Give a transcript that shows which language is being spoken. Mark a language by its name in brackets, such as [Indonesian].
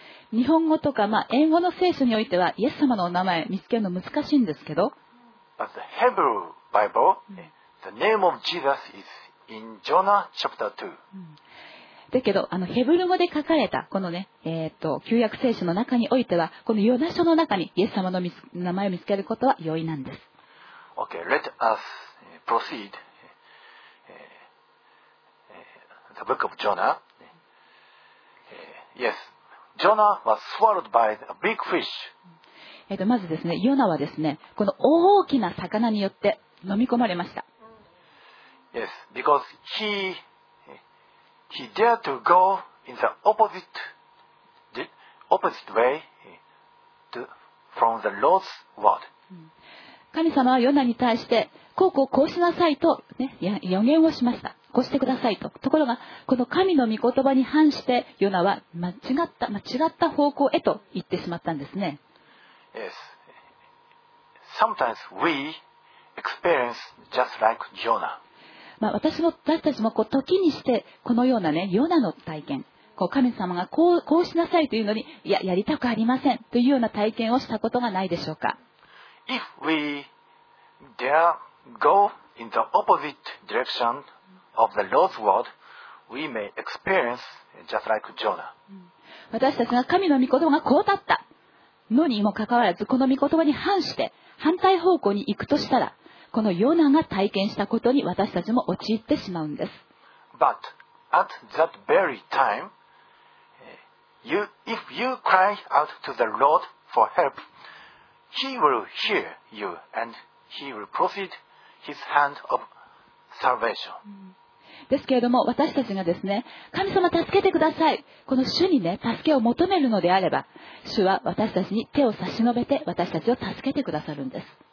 [Japanese] 日本語とか、まあ、英語の聖書においてはイエス様のお名前見つけるの難しいんですけど、 [English] But the Hebrew Bible, the name of Jesus is in Jonah chapter 2. [Japanese] だけど、あのヘブル語で書かれたこのね、旧約聖書の中においては、このヨナ書の中にイエス様の名前を見つけることは容易なんです。 [English] Okay, let us proceed. The book of Jonah. Yes, Jonah was swallowed by a big fish. [Japanese] まずですね、ヨナはですね、この大きな魚によって飲み込まれました。 [English] Yes, because he dared to go in the opposite way to, from the Lord's word. [Japanese] 神様はヨナに対して、こうしなさいと、ね、予言をしました。こうしてくださいと。ところが、この神の御言葉に反して、ヨナは間違った方向へと行ってしまったんですね。 [English] Yes. Sometimes we experience just like Jonah. [Japanese] まあ私たちもこう時にしてこのようなね、ヨナの体験、こう神様がこうしなさいというのに、いや、やりたくありませんというような体験をしたことがないでしょうか。 [English] If we dare go in the opposite direction of the Lord's word, we may experience just like Jonah. [Japanese] 私たちが神の御言葉がこうだった。のにもかかわらずこの御言葉に反して反対方向に行くとしたら、このヨナが体験したことに私たちも陥ってしまうんです。 [English] But at that very time, if you cry out to the Lord for help, He will hear you and He will proceed His hand of salvation. [Japanese] ですけれども私たちがですね、神様助けてください、この主にね助けを求めるのであれば、主は私たちに手を差し伸べて私たちを助けてくださるんです。